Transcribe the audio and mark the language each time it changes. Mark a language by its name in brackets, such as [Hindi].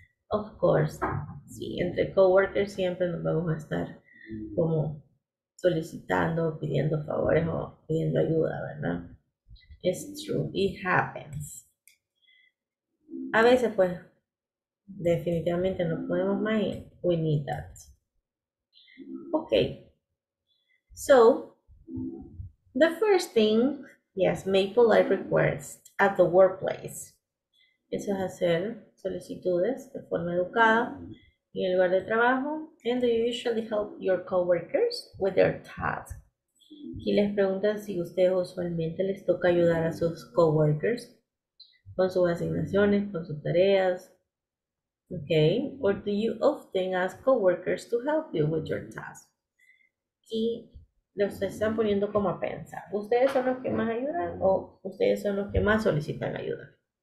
[Spanish] Of course, sí, entre coworkers siempre nos vamos a estar como solicitando, pidiendo favores o pidiendo ayuda, ¿verdad? [English] It's true, it happens. [Spanish] A veces, pues, definitivamente no podemos más ir. [English] We need that. Ok. So, the first thing, yes, make polite requests at the workplace. [Spanish] Eso es hacer solicitudes de forma educada en el lugar de trabajo. [English] And you usually help your coworkers with their tasks. [Spanish] Aquí les preguntan si ustedes usualmente les toca ayudar a sus coworkers con sus asignaciones, con sus tareas. [English] Okay. Or do you often ask coworkers to help you with your tasks? [Spanish] Y los están poniendo como a pensar. ¿Ustedes son los que más ayudan o ustedes son los que más solicitan ayuda?